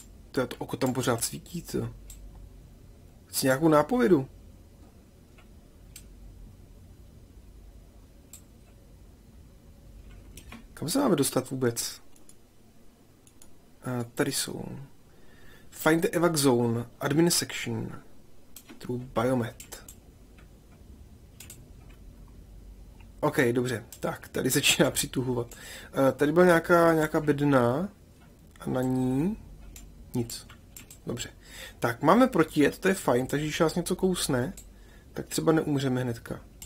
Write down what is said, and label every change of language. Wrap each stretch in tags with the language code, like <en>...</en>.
<cs>To je to oko tam pořád svítí, co? Chci nějakou nápovědu. Kam se máme dostat vůbec? A, tady jsou.</cs> <en>Find the evac zone, admin section, through biomet.</en> <cs>OK, dobře, tak tady začíná přituhovat. Tady byla nějaká bedna a na ní nic. Dobře, tak máme protijet, to je fajn, takže když nás něco kousne, tak třeba neumřeme hnedka.</cs>